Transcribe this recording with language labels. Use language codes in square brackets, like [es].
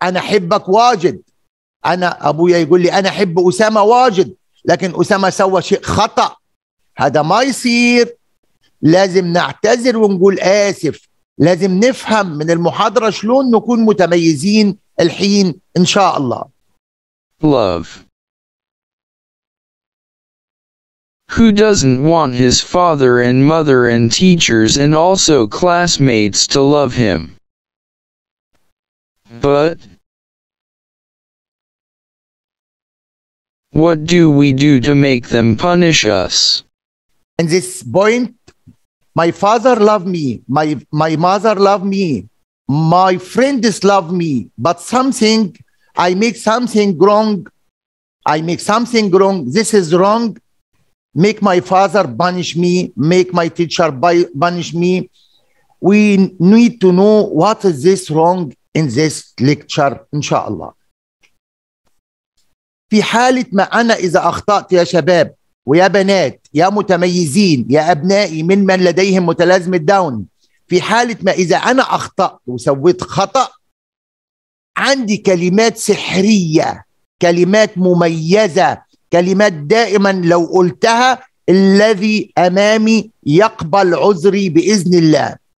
[ar] أنا أحبك واجد، أنا أبويا يقول لي أنا أحب أسامة واجد، لكن أسامة سوى شيء خطأ. هذا ما يصير، لازم نعتذر ونقول آسف، لازم نفهم من المحاضرة شلون نكون متميزين الحين إن شاء الله. [en] Love. Who doesn't want his father and mother and teachers and also classmates to love him? But what do we do to make them punish us? At this point, my father loved me, my mother loved me, my friends loved me, but something I make something wrong. I make something wrong. This is wrong. Make my father punish me. Make my teacher punish me. We need to know what is this wrong in this lecture, inshallah. [ar] في حالة ما أنا إذا أخطأت يا شباب ويا بنات يا متميزين يا أبنائي من لديهم متلازمة داون، في حالة ما إذا أنا أخطأت وسويت خطأ، عندي كلمات سحرية، كلمات مميزة، كلمات دائما لو قلتها الذي أمامي يقبل عذري بإذن الله.